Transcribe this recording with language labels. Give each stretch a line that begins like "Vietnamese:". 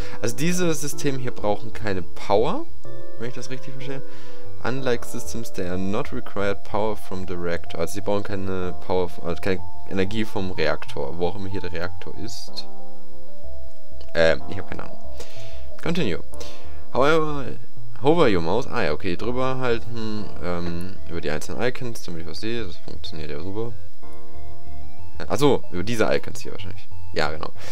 German: Also diese Systeme hier brauchen keine Power, wenn ich das richtig verstehe.
English: Unlike Systems, they are not required power from the Reactor.
German: Also sie brauchen keine Power, also keine Energie vom Reaktor, wo auch immer hier der Reaktor ist. Ich habe keine Ahnung.
English: Continue. However, hover your mouse.
German: Ah ja, okay, drüber halten. Über die einzelnen Icons, damit ich was sehe. Das funktioniert ja super. Achso, über diese Icons hier wahrscheinlich. Ja, genau.